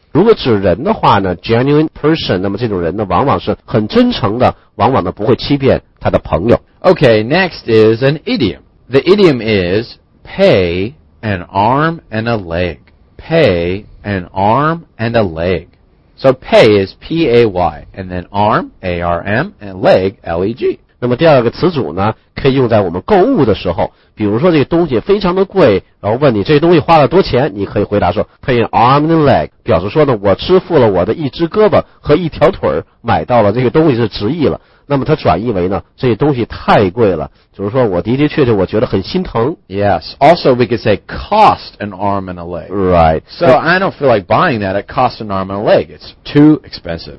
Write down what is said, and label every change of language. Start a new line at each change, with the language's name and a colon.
Chinese: 如果指人的话呢
English: genuine person,
Chinese: 那么这种人呢往往是很真诚的，往往呢不会欺骗他的朋友。
English: Okay, next is an idiom. The idiom is pay an arm and a leg. Pay an arm and a leg. So pay is P-A-Y, and then arm, A-R-M, and leg, L-E-G.
Chinese: 那么第二个词组呢可以用在我们购物的时候，比如说这个东西非常的贵，然后问你这个东西花了多钱，你可以回答说
English: pay an arm and a leg,
Chinese: 表示说呢我支付了我的一只胳膊和一条腿买到了这个东西是值意了，那么它转译为呢这个东西太贵了，就是说我的的确确我觉得很心疼。
English: Yes, also we could say cost an arm and a leg. Right. So I don't feel like buying that, it costs an arm and a leg, it's too expensive.